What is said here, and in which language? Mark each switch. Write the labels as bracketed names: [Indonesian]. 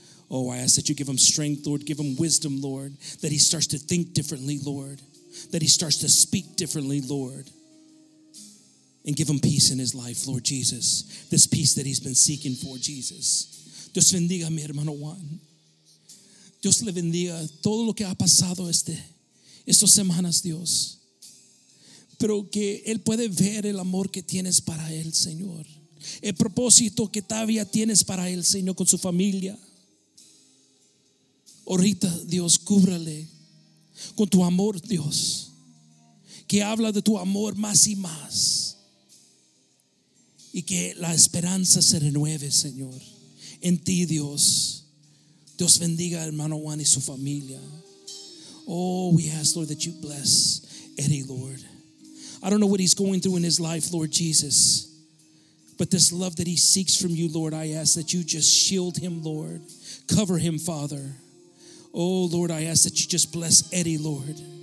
[English] Oh, I ask that you give him strength, Lord, give him wisdom, Lord, that he starts to think differently, Lord, that he starts to speak differently, Lord, and give him peace in his life, Lord Jesus, this peace that he's been seeking for, Jesus. [Spanish] Dios bendiga mi hermano Juan. Dios le bendiga todo lo que ha pasado estas semanas, Dios. Pero que él puede ver el amor que tienes para él, Señor. El propósito que todavía tienes para él, Señor, con su familia. Ahorita, Dios, cúbrale con tu amor, Dios. Que habla de tu amor más y más. Y que la esperanza se renueve, Señor, en ti, Dios. Dios bendiga a hermano Juan y su familia. [English] Oh, we ask, Lord, that you bless Eddie, Lord. I don't know what he's going through in his life, Lord Jesus. But this love that he seeks from you, Lord, I ask that you just shield him, Lord. Cover him, Father. Oh, Lord, I ask that you just bless Eddie, Lord.